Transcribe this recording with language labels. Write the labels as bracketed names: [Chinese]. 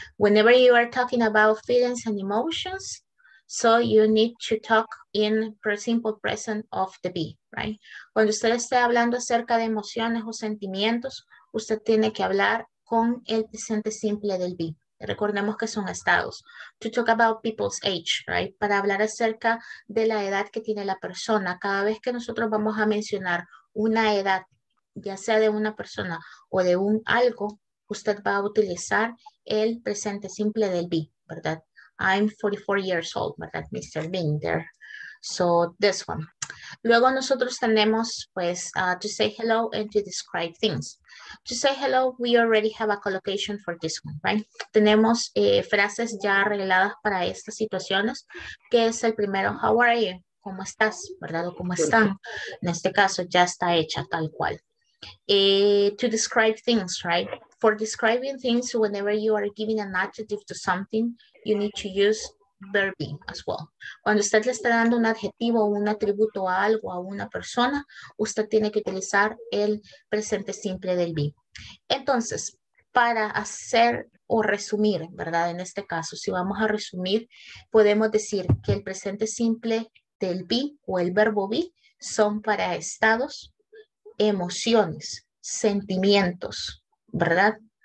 [English] Whenever you are talking about feelings and emotions, so you need to talk in simple present of the be, right? [Spanish] Cuando usted esté hablando acerca de emociones o sentimientos, usted tiene que hablar con el presente simple del be. Recordemos que son estados. [English] To talk about people's age, right? [Spanish] Para hablar acerca de la edad que tiene la persona. Cada vez que nosotros vamos a mencionar una edad, ya sea de una persona o de un algo, usted va a utilizar el presente simple del be, ¿verdad? [English] I'm 44 years old, ¿verdad? Mr. Bean there. So this one. [Spanish] Luego nosotros tenemos, pues, [English] to say hello and to describe things. To say hello, we already have a collocation for this one, right? [Spanish] Tenemos frases ya arregladas para estas situaciones, que es el primero, [English] how are you? [Spanish] ¿Cómo estás? ¿Verdad? O ¿cómo están? En este caso, ya está hecha tal cual. [English] To describe things, right? For describing things, whenever you are giving an adjective to something, you need to use verb as well. [Spanish] Cuando usted le está dando un adjetivo o un atributo a algo, a una persona, usted tiene que utilizar el presente simple del be. Entonces, para hacer o resumir, ¿verdad? En este caso, si vamos a resumir, podemos decir que el presente simple del be o el verbo be son para estados, emociones, sentimientos, ¿verdad?